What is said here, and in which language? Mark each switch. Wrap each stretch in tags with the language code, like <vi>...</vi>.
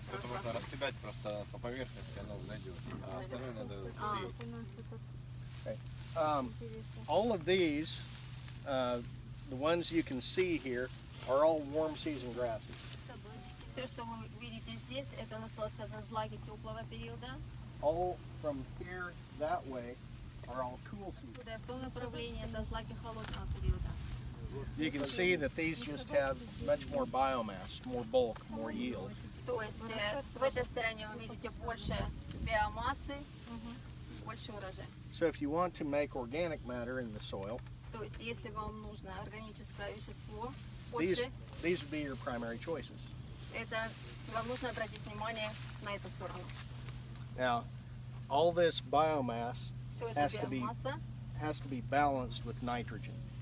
<ru>Это можно раскидать просто по поверхности, оно, знаете, остальное надо сеять.</ru> <en>All of these, the ones you can see here, are all warm season grasses.</en> <ru>Все, что вы видите здесь, это настоящие злаки теплого периода.</ru> <en>All from here that way are all cool seasons.</en> <ru>Да, в том направлении это злаки холодного периода.</ru> <en>You can see that these just have much more biomass, more bulk, more yield.</en> <ru>То есть в этой стороне вы видите больше биомассы, больше урожая.</ru> <en>So if you want to make organic matter in the soil,</en> <ru>то есть если вам нужно органическое вещество,</ru> <en>these would be your primary choices.</en> <ru>Это вам нужно обратить внимание на эту сторону.</ru> <en>Now, all this biomass has to be balanced with nitrogen.</en>